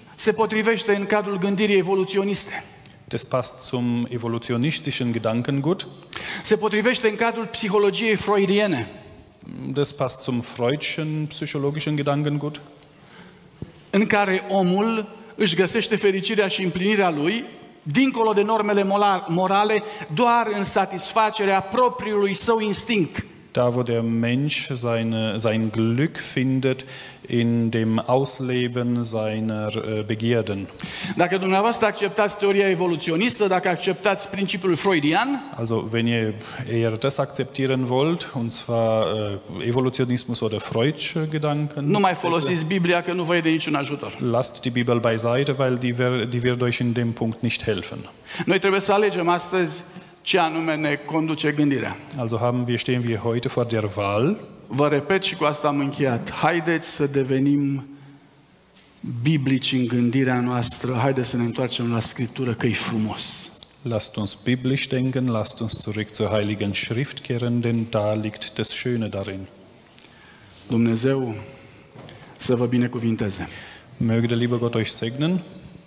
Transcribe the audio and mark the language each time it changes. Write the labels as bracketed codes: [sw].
[ro] Se potrivește în cadrul gândirii evoluționiste. [de] Das passt zum evolutionistischen Gedankengut. [ro] Se potrivește în cadrul psihologiei freudiene. [de] Das passt zum freudschen psychologischen Gedankengut. [ro] În care omul își găsește fericirea și împlinirea lui dincolo de normele morale, doar în satisfacerea propriului său instinct. [de] Da, wo der Mensch sein Glück findet in dem Ausleben seiner Begierden. [ro] Dacă dumneavoastră acceptați teoria evoluționistă, dacă acceptați principiul freudian, [de] also wenn ihr eher das akzeptieren wollt, und zwar Evolutionismus oder Freudsche Gedanken, [ro] nu mai folosiți Biblia, că nu vă e de niciun ajutor. [de] Lasst die Bibel beiseite, weil die wird euch in dem Punkt nicht helfen. [ro] Noi trebuie să alegem astăzi ce anume ne conduce gândirea. [de] Also stehen wir heute vor der Wahl. [ro] Vă repet și cu asta am încheiat. Haideți să devenim biblici în gândirea noastră. Haideți să ne întoarcem la Scriptură, că e frumos. [de] Lasst uns biblisch denken, lasst uns zurück zur Heiligen Schrift kehren, denn da liegt das Schöne darin. [ro] Dumnezeu să vă binecuvinteze. [de] Möge der liebe Gott euch segnen.